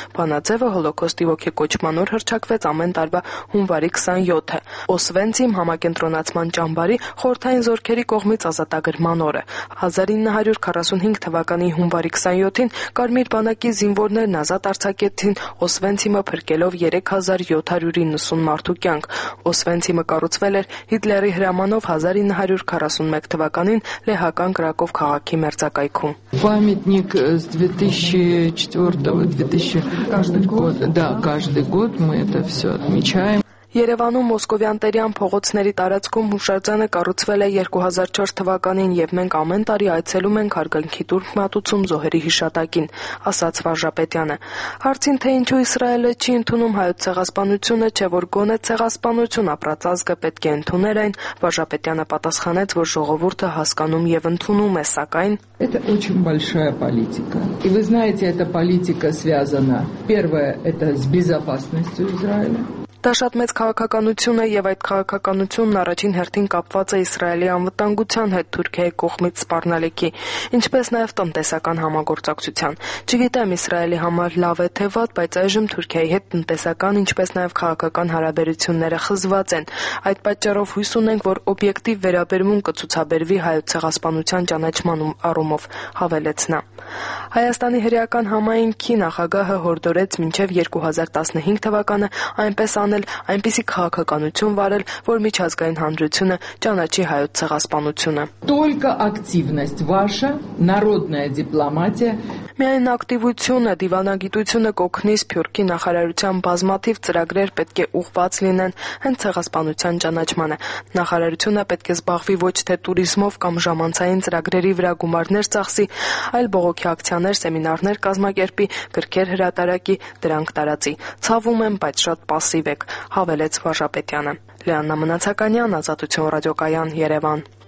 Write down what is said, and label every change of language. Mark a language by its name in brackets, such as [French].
[Armenian] Բանաձևը Հոլոքոստի ոգեկոչման օր հրճակվեց ամեն տարվա հունվարի 27-ը, Օսվենցիմ համակենտրոնացման ճամբարի խորթային զորքերի կողմից ազատագրման օրը։ 1945 թվականի հունվարի 27-ին Կարմիր բանակի զինվորներն ազատ արձակեցին Օսվենցիմը, փրկելով 3790 մարդու կյանք։ Օսվենցիմը կառուցվել էր Հիտլերի հրամանով 1941 թվականին լեհական Կրակով քաղաքի մերձակայքում։ [Russian] Памятник с 2004-го, 2000... Каждый год. Да, каждый год мы это все отмечаем. [Armenian] Երևանում Մոսկովյան Տերյան փողոցների տարածքում հուշարձանը կառուցվել է 2004 թվականին, եւ մենք ամեն տարի այցելում ենք հարգանքի տուրք մատուցում զոհերի հիշատակին, ասաց Վարժապետյանը։ Հարցին, թե ինչու Իսրայելը չի ընդունում հայոց ցեղասպանությունը, չէ՞ որ գոնե ցեղասպանություն ապրած ազգը պետք է ընդուներ այն, Վարժապետյանը պատասխանեց, որ ժողովուրդը հասկանում եւ ընդունում է, սակայն [Russian] это очень большая политика. И вы знаете, эта политика связана первое это с безопасностью Израиля. [Armenian] Դա շատ մեծ քաղաքականություն է, եւ այդ քաղաքականությունն առաջին հերթին կապված է Իսրայելի անվտանգության հետ, Թուրքիայի կողմից սպառնալիքի, ինչպես նաեւ տնտեսական համագործակցության։ Չգիտեմ, Իսրայելի համար լավ է թե վատ, բայց այժմ Թուրքիայի հետ տնտեսական, ինչպես նաեւ քաղաքական հարաբերությունները խզված են։ Այդ պատճառով հույս ունենք, որ օբյեկտիվ վերաբերմունք կցուցաբերվի հայոց ցեղասպանության ճանաչման առումով, հավելեց նա։ Հայաստանի հրեական համայնքի նախագահը հորդորեց մինչև 2015 թվականը այնպես անել, այնպիսի քաղաքականություն վարել, որ միջազգային հանրությունը ճանաչի հայոց ցեղասպանությունը։ [Russian] Только активность ваша, народная дипломатия. [Armenian] Միայն ակտիվությունը, դիվանագիտությունը կօգնի Սփյուռքի նախարարության բազմաթիվ ծրագրեր պետք է ուղված լինեն հենց ցեղասպանության ճանաչմանը։ Նախարարությունը պետք է զբաղվի ոչ թե туриզմով կամ ժամանցային ծրագրերի վրա գումարներ ծախսի, այլ բողոքի ակցիաներ, սեմինարներ կազմակերպի, գրքեր հրատարակի, դրանք տարածի։ Ցավում եմ, բայց շատ պասիվ եք, հավելեց Վարժապետյանը։ Լիաննա Մնացականյան, Ազատություն ռադիոկայան, Երևան։